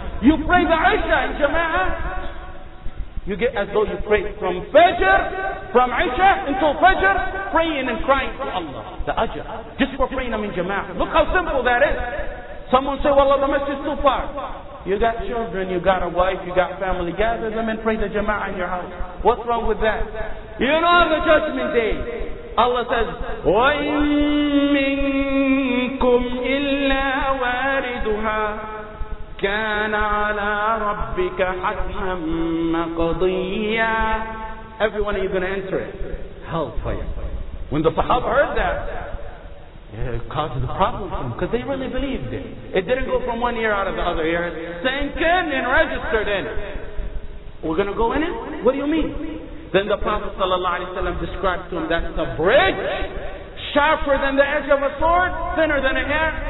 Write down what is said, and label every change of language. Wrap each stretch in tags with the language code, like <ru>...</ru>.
<en>You pray the Isha in Jama'ah, you get as though you pray from Fajr, from Isha until Fajr, praying and crying to Allah. The Ajr, just for praying them in Jama'ah. Look how simple that is. Someone say, well, the message is too far. You got children, you got a wife, you got family. Gather them and pray the Jama'ah in your house. What's wrong with that? You know on the judgment day, Allah says,</en> <ar>وَإِن مِّنكُمْ إِلَّا وَارِدُهَا كَانَ عَلَىٰ رَبِّكَ حَتْمًا مَقْضِيًّا.</ar> <en>Everyone, are you going to enter it? Hellfire. When the Sahab heard that, it causes a problem for them because they really believed it. It didn't go from one ear out of the other ear. It sank in and registered in. We're going to go in it? What do you mean? Then the Prophet sallallahu alaihi wasallam described to him, that's a bridge sharper than the edge of a sword, thinner than a hair.</en>